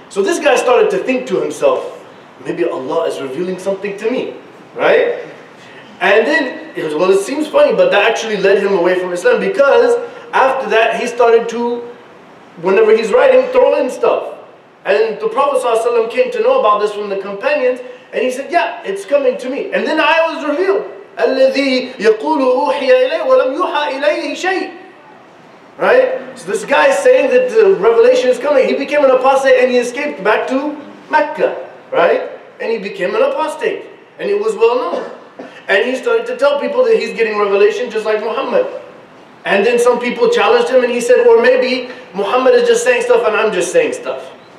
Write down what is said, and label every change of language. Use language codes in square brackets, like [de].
[en] So this guy started to think to himself, maybe Allah is revealing something to me, right? And then, he goes, well, it seems funny, but that actually led him away from Islam, because after that, he started to, whenever he's writing, throw in stuff. And the Prophet ﷺ came to know about this from the companions, and he said, yeah, it's coming to me. And then I was revealed. [ar] الَّذِي يَقُولُ أُوحِيَ إِلَيْهِ وَلَمْ يُوحَى إِلَيْهِ شَيْءٍ [en] Right? So this guy is saying that the revelation is coming. He became an apostate and he escaped back to Mecca. Right? And he became an apostate. And it was well known. And he started to tell people that he's getting revelation just like Muhammad. And then some people challenged him and he said, or maybe Muhammad is just saying stuff and I'm just saying stuff.